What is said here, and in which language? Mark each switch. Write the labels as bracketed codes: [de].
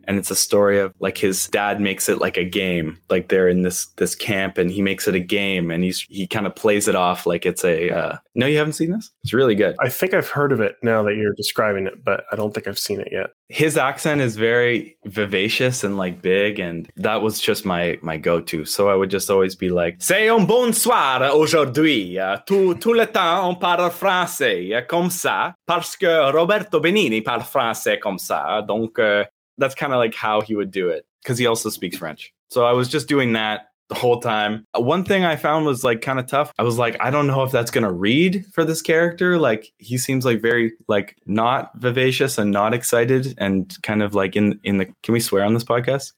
[en] And it's a story of like his dad makes it like a game. Like they're in this camp and he makes it a game, and he kind of plays it off like it's a... No, you haven't seen this? It's really good. I think I've heard of it now that you're describing it, but I don't think I've seen it yet. His accent is very vivacious and like big, and that was just my go-to. So I would just always be like, [fr] c'est un bonsoir aujourd'hui. Tout le temps on parle français comme ça parce que Roberto Benigni parle français comme ça. Donc [en] that's kind of like how he would do it, because he also speaks French. So I was just doing that the whole time. One thing I found was like kind of tough. I was like, I don't know if that's going to read for this character. Like he seems like very like not vivacious and not excited and kind of like in the, can we swear on this podcast?